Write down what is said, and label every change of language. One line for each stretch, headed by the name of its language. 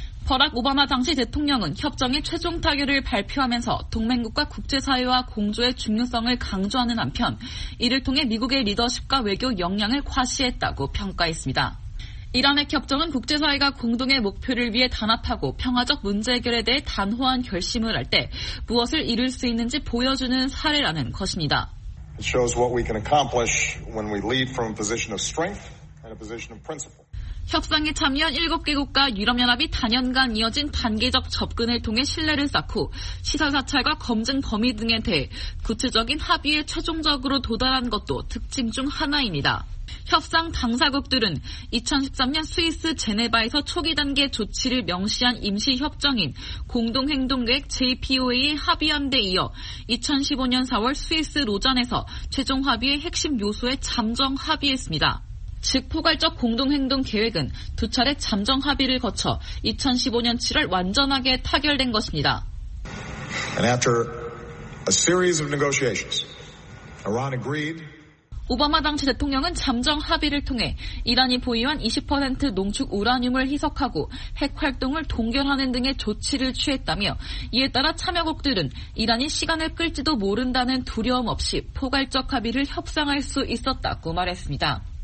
Korean: 버락 오바마 당시 대통령은 협정의 최종 타결을 발표하면서 동맹국과 국제사회와 공조의 중요성을 강조하는 한편 이를 통해 미국의 리더십과 외교 역량을 과시했다고 평가했습니다. 이란의 협정은 국제사회가 공동의 목표를 위해 단합하고 평화적 문제 해결에 대해 단호한 결심을 할 때 무엇을 이룰 수 있는지 보여주는 사례라는 것입니다.
English: It shows what we can accomplish when we lead from a position of strength and a position of principle.
Korean: 협상에 참여한 7개국과 유럽연합이 단연간 이어진 단계적 접근을 통해 신뢰를 쌓고 시설 사찰과 검증 범위 등에 대해 구체적인 합의에 최종적으로 도달한 것도 특징 중 하나입니다. 협상 당사국들은 2013년 스위스 제네바에서 초기 단계 조치를 명시한 임시협정인 공동행동계획 JPOA의 합의안 데 이어 2015년 4월 스위스 로잔에서 최종 합의의 핵심 요소에 잠정 합의했습니다. 즉 포괄적 공동행동 계획은 두 차례 잠정 합의를 거쳐 2015년 7월 완전하게 타결된 것입니다.
English: And after a series of negotiations, Iran agreed.
Korean: 오바마 당시 대통령은 잠정 합의를 통해 이란이 보유한 20% 농축 우라늄을 희석하고 핵활동을 동결하는 등의 조치를 취했다며 이에 따라 참여국들은 이란이 시간을 끌지도 모른다는 두려움 없이 포괄적 합의를 협상할 수 있었다고 말했습니다.